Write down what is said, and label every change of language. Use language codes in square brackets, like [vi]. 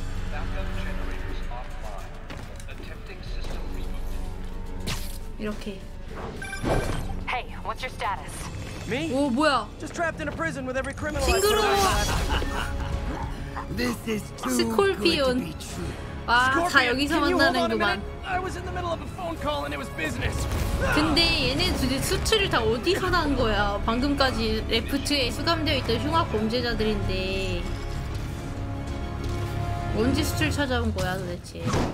[en] Backup generators offline. Attempting system reboot. [ko] 이렇게. [en] Hey, what's your status? Me? [ko] 오, 뭐야? [en] Just trapped in a prison with every criminal. [ko] 싱그러워. [en] This is too good to be true. [ko] 아, 다 여기서 만나는구만. [en] I was in the middle of a phone call and it was business. [ko] 근데 얘네 둘이 수트를 다 어디서 난 거야? 방금까지 레프트에 수감되어 있던 흉악 범죄자들인데 언제 수트를 찾아온 거야 도대체?